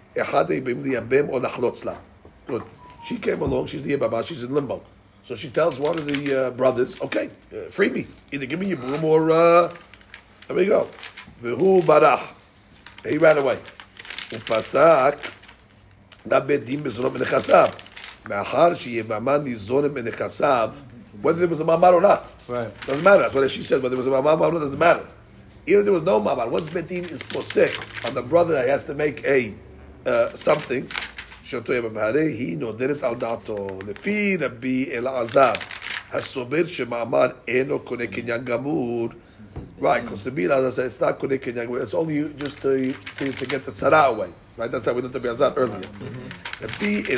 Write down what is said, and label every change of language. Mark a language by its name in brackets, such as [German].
[English] Good. She came along, she's the Yibama, she's in limbo. So she tells one of the brothers, okay, free me. Either give me your broom or there we go. [Hebrew] Vehu barah. [English] He ran away. [Hebrew] ופסק נבי דין מזונות מנכסיו מאחר שיבמה ניזונת מנכסיו [English] whether there was a mamar or not. Right. Doesn't matter. That's what she said. Whether there was a mamar or not, doesn't matter. Even if there was no mamar, once Bedin is posik on the brother that he has to make a something, [Hebrew] שאותו יבמהרי, היא נודרת על דעתו. לפי רבי אלעזר, הסובר שמאמר אינו קונה קניין גמור. [English] Right, because Rabbi Elazar said it's not kunei kenyan, it's only just to get the tzara away. Right, that's how we looked at Rabbi Elazar earlier.